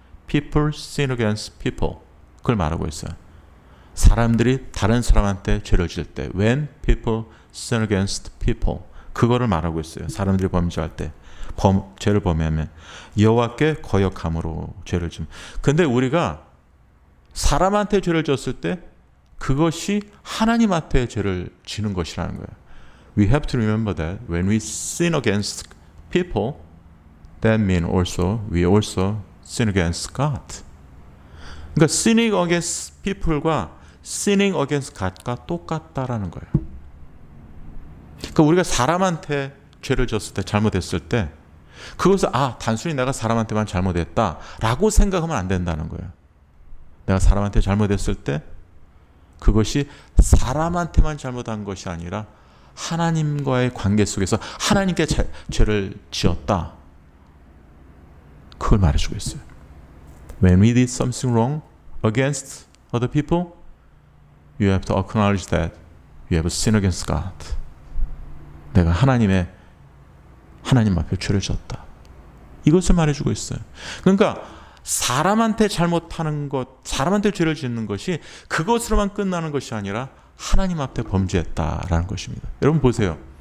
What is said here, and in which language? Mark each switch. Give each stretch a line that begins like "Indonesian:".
English: People sin against people
Korean: 그걸 말하고 있어요. 사람들이 다른 사람한테 죄를 지을 때
English: when people sin against people
Korean: 그거를 말하고 있어요. 사람들이 범죄할 때 죄를 범하면 여호와께 거역함으로 죄를 짓는. 근데 우리가 사람한테 죄를 졌을 때 그것이 하나님한테 죄를 지는 것이라는 거예요.
English: We have to remember that when we sin against people that means also we also sin against God.
Korean: 그러니까
English: sinning against people
Korean: 과
English: sinning against God
Korean: 과 똑같다라는 거예요. 그러니까 우리가 사람한테 죄를 졌을 때 잘못했을 때 그것을 단순히 내가 사람한테만 잘못했다라고 생각하면 안 된다는 거예요. 내가 사람한테 잘못했을 때 그것이 사람한테만 잘못한 것이 아니라 하나님과의 관계 속에서 하나님께 죄를 지었다. 그걸 말해주고 있어요.
English: When we did something wrong against other people, you have to acknowledge that you have sinned against God.
Korean: 내가 하나님 앞에 죄를 지었다. 이것을 말해주고 있어요. 그러니까 사람한테 잘못하는 것, 사람한테 죄를 짓는 것이 그것으로만 끝나는 것이 아니라 하나님 앞에 범죄했다라는 것입니다. 여러분 보세요.